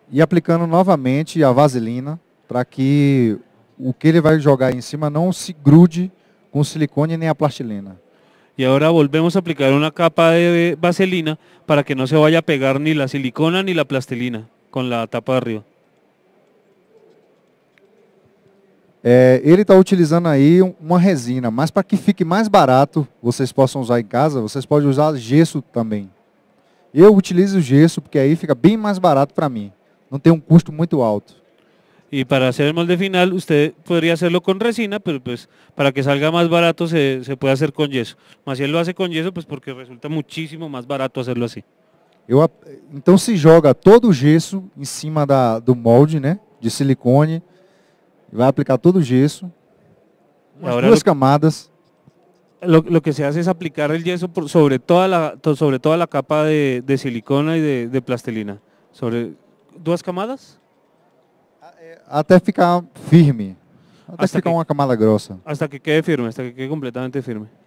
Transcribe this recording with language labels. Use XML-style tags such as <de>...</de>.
<es>Y aplicando nuevamente la vaselina para que lo que él va a jugar encima no se grude con silicone ni a plastilina. Y ahora volvemos a aplicar una capa de vaselina para que no se vaya a pegar ni la silicona ni la plastilina con la tapa de arriba.</es> <pt>Ele está utilizando aí uma resina, mas para que fique mais barato, vocês possam usar em casa, vocês podem usar gesso também. Eu utilizo gesso, porque aí fica bem mais barato para mim. Não tem um custo muito alto. E para fazer o molde final, você poderia fazê-lo com resina, mas pues,</pt> <es>para que salga</es> <pt>mais barato, se pode fazer com gesso.</pt> <es>Mas se ele lo hace com gesso, pues, porque resulta muchísimo mais barato</es> <pt>fazê-lo assim. Então se joga todo o gesso em cima do molde, né, de silicone,</pt> <es>va a aplicar todo el yeso,</es> <pt>dos camadas.</pt> <es>Lo que se hace es aplicar el yeso sobre toda la capa de silicona y de plastilina. ¿Sobre dos camadas? Hasta ficar firme. Hasta ficar una camada grossa. Hasta que quede firme, hasta que quede completamente firme.</es>